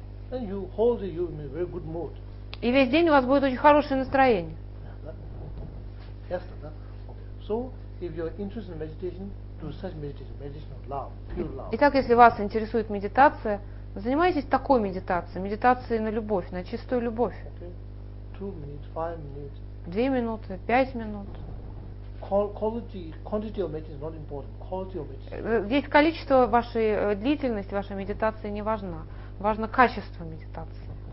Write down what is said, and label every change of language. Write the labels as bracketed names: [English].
[English] And you hold you in a very good mood. [Russian] И весь день у вас будет очень хорошее настроение. [English] Yes, okay. So, if you're interested in meditation, do such meditation, meditation of love, pure love. [Russian] Итак, если вас интересует медитация, занимайтесь такой медитацией, медитацией на любовь, на чистую любовь. [English] Okay. 2 minutes, 5 minutes. [Russian] 2 минуты, 5 минут. [English] Quality of meditation is not important. Quality of meditation. [Russian] Здесь количество вашей длительности вашей медитации не важно. Важно качество медитации.